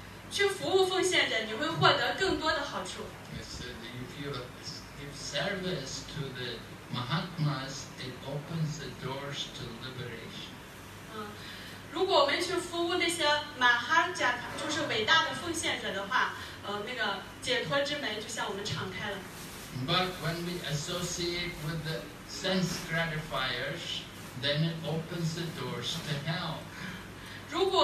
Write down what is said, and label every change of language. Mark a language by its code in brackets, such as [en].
[zh] 去服务奉献者，你会获得更多的好处。 [en] Yes, if you give service to the Mahatmas, it opens the doors to liberation. [zh] 如果我们去服务那些马哈贾，就是伟大的奉献者的话，那个解脱之门就向我们敞开了。 [en] But when we associate with the sense gratifiers, then it opens the doors to hell.